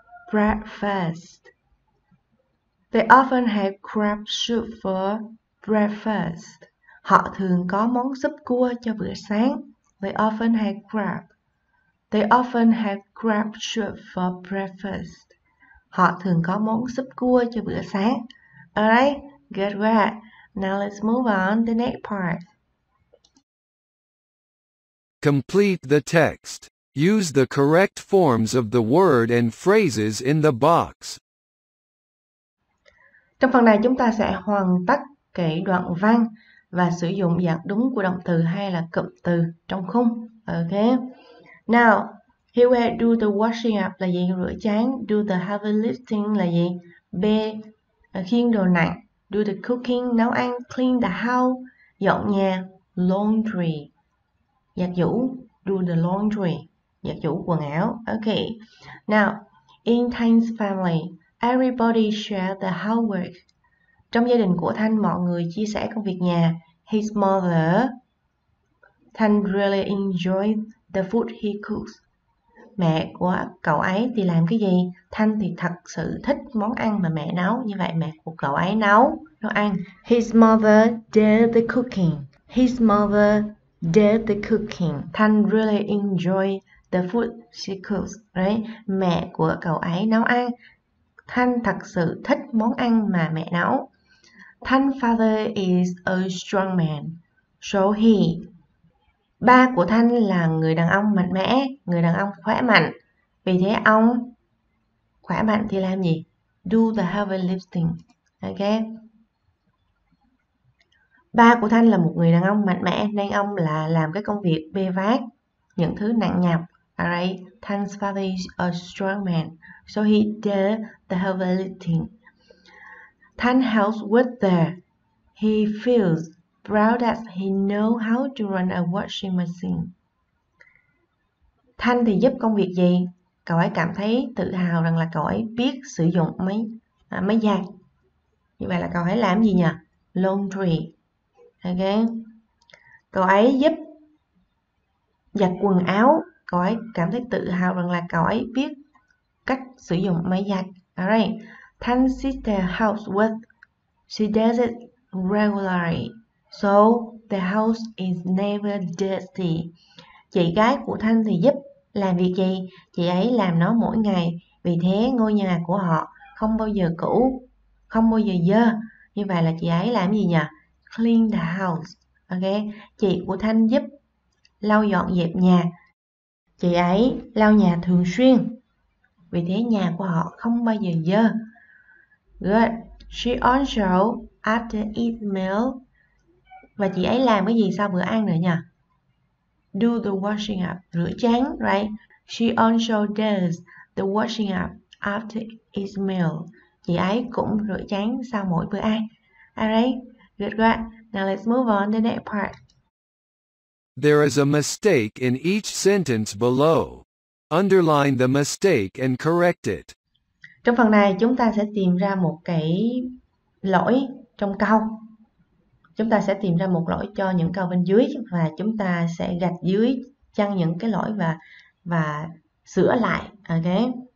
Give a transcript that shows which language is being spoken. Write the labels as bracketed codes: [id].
[en] Breakfast. They often have crab soup for breakfast. [vi] Họ thường có món súp cua cho bữa sáng. [en] They often have crab. They often have crab soup for breakfast. [vi] Họ thường có món súp cua cho bữa sáng. [en] Alright? Good work. Now let's move on to the next part. Complete the text. Use the correct forms of the word and phrases in the box. [vi] Trong phần này chúng ta sẽ hoàn tất kỹ đoạn văn và sử dụng dạng đúng của động từ hay là cụm từ trong khung. [en] Okay. Now, here we do the washing up là gì? [vi] Rửa chén. [en] Do the heavy lifting [vi] là gì? Bê, khiêng đồ nặng. [en] Do the cooking, [vi] nấu ăn, [en] clean the house, [vi] dọn nhà, [en] laundry, [vi] giặt giũ, [en] do the laundry, [vi] Dạ, chủ quần áo. Okay. [en] Now, in Thanh's family, everybody share the housework. [vi] Trong gia đình của Thanh, mọi người chia sẻ công việc nhà. [en] His mother, Thanh really enjoyed the food he cooks. [vi] Mẹ của cậu ấy thì làm cái gì? Thanh thì thật sự thích món ăn mà mẹ nấu. Như vậy mẹ của cậu ấy nấu ăn. [en] His mother did the cooking. His mother did the cooking. Thanh really enjoyed the food she cooks. Right? [vi] Mẹ của cậu ấy nấu ăn. Thanh thật sự thích món ăn mà mẹ nấu. [en] Thanh's father is a strong man. So he. [vi] Ba của Thanh là người đàn ông mạnh mẽ, người đàn ông khỏe mạnh. Vì thế ông khỏe mạnh thì làm gì? [en] Do the heavy lifting. [vi] Okay. Ba của Thanh là một người đàn ông mạnh mẽ nên ông là làm cái công việc bê vác những thứ nặng nhọc. [en] Alright, Thanh's father is a strong man. So he did the heavy lifting. Thanh helps with the. He feels proud that he knows how to run a washing machine. [vi] Thanh thì giúp công việc gì? Cậu ấy cảm thấy tự hào rằng là cậu ấy biết sử dụng máy giặt. Như vậy là cậu ấy làm gì nhỉ? Laundry. Okay. Cậu ấy giúp giặt quần áo. Cậu ấy cảm thấy tự hào rằng là cậu ấy biết cách sử dụng máy giặt. [en] Alright. Thanh's sister helps with. She does it regularly. So the house is never dirty. [vi] Chị gái của Thanh thì giúp làm việc gì? Chị ấy làm nó mỗi ngày. Vì thế ngôi nhà của họ không bao giờ cũ, không bao giờ dơ. Như vậy là chị ấy làm gì nhỉ? [en] Clean the house. [vi] Okay. Chị của Thanh giúp lau dọn dẹp nhà. Chị ấy lau nhà thường xuyên. Vì thế nhà của họ không bao giờ dơ. Good. [en] She also after eat meal. [vi] Và chị ấy làm cái gì sau bữa ăn nữa nhỉ? [en] Do the washing up. [vi] Rửa chén, [en] right? She also does the washing up after each meal. [vi] Chị ấy cũng rửa chén sau mỗi bữa ăn. [en] Alright, good job. Now let's move on to the next part. There is a mistake in each sentence below. Underline the mistake and correct it. [vi] Trong phần này, chúng ta sẽ tìm ra một cái lỗi trong câu. Chúng ta sẽ tìm ra một lỗi cho những câu bên dưới và chúng ta sẽ gạch dưới chăn những cái lỗi và sửa lại. Okay.